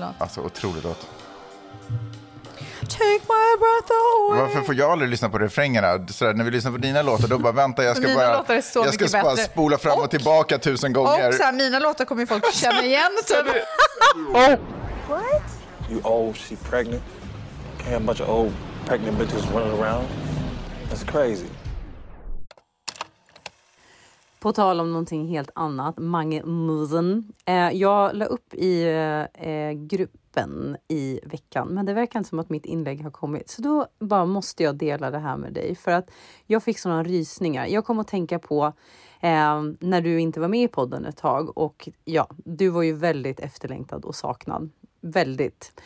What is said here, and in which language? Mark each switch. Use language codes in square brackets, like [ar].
[sv] Alltså, otroligt låt. [en] Take my breath away. [sv] Varför får jag aldrig lyssna på refrängerna? Sådär, när vi lyssnar på dina låtar, då bara vänta, jag ska bara spola fram och tillbaka tusen gånger. Och så här, mina låtar kommer folk känna igen. Typ. [en] What? You old, she pregnant. Can't have a bunch of old pregnant bitches running around. That's crazy. [sv] På tal om någonting helt annat, Mange Musen. Jag la upp i gruppen i veckan, men det verkar inte som att mitt inlägg har kommit. Så då bara måste jag dela det här med dig, för att jag fick sådana rysningar. Jag kom att tänka på när du inte var med i podden ett tag, och ja, du var ju väldigt efterlängtad och saknad. Väldigt.